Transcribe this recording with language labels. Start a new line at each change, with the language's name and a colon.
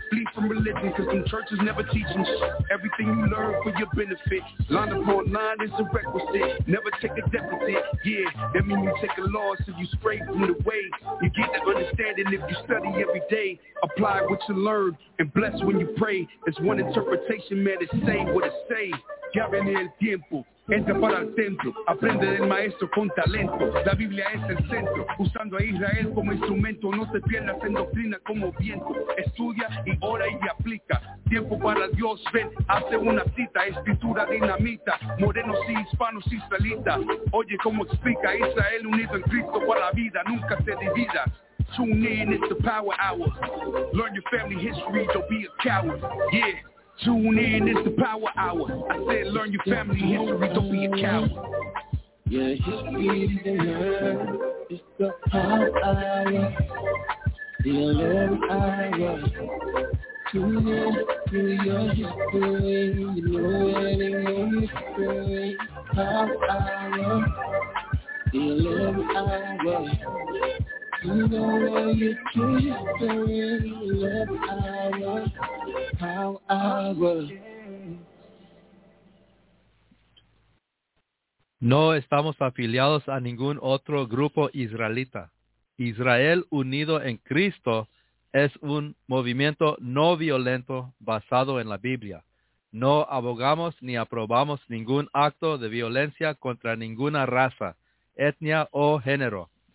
English: Flee from religion, cause some churches never teach them shit. Everything you learn for your benefit. Line upon line is a requisite. Never take a deficit, yeah. That means you take a loss if you spray from the way. You get the understanding if you study every day. Apply what you learn and bless when you pray. It's one interpretation, man, it's say what it say.
Spanish: Ya viene el tiempo, entra para el templo, aprende del maestro con talento, la Biblia es el centro, usando a Israel como instrumento, no te pierdas en doctrina como viento, estudia y ora y aplica, tiempo para Dios, ven, hace una cita, escritura dinamita, morenos y hispanos israelitas, oye cómo explica, Israel unido en Cristo para la vida, nunca se divida.
English: Tune in, it's the power hour, learn your family history, don't be a coward, yeah. Tune in, it's the power hour. I said learn your family history, don't be a coward. Yeah, history is the word. It's the power hour. The learning hour. Tune in to your history. You know it in your history. Power hour. The learning hour. You know what you're doing, you're doing power.
Spanish: No estamos afiliados a ningún otro grupo israelita. Israel unido en Cristo es un movimiento no violento basado en la Biblia. No abogamos ni aprobamos ningún acto de violencia contra ninguna raza, etnia o género.